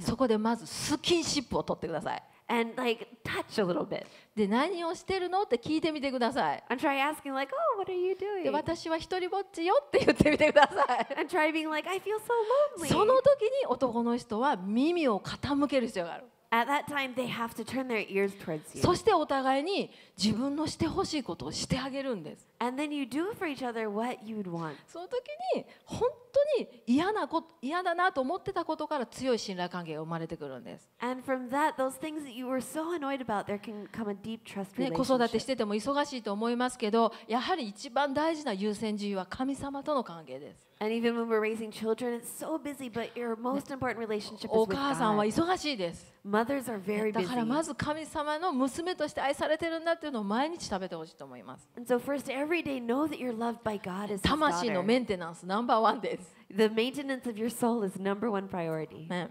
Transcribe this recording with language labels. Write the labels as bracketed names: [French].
[Japanese] そこでまずスキンシップを取ってください。 [English] And like touch a little bit. [Japanese] で何をしてるのって聞いてみてください。 [English] And try asking like, "Oh, what are you doing?" [Japanese] で私は一人ぼっちよって言ってみてください。 [English] And try being like, "I feel so lonely." [Japanese] その時に男の人は耳を傾ける必要がある。 [English] At that time, they have to turn their ears towards you. [Japanese] そしてお互いに自分のしてほしいことをしてあげるんです。 [English] And then you do for each other what you'd want. [Japanese] その時に本当に嫌なこと、嫌だなと思ってたことから強い信頼関係が生まれてくるんです。 [English] And from that, those things that you were so annoyed about, there can come a deep trust relationship. [Japanese] 子育てしてても忙しいと思いますけど、やはり一番大事な優先順位は神様との関係です。 [English] And even when we're raising children, it's so busy, but your most important relationship is with God. [Japanese] お母さんは忙しいです。 [English] Mothers are very busy. [Japanese] だからまず神様の娘として愛されてるんだっていうのを毎日食べてほしいと思います。 [English] And so first, every day, know that you're loved by God as His daughter. [Japanese] 魂のメンテナンスナンバーワンです。 [English] The maintenance of your soul is number one priority.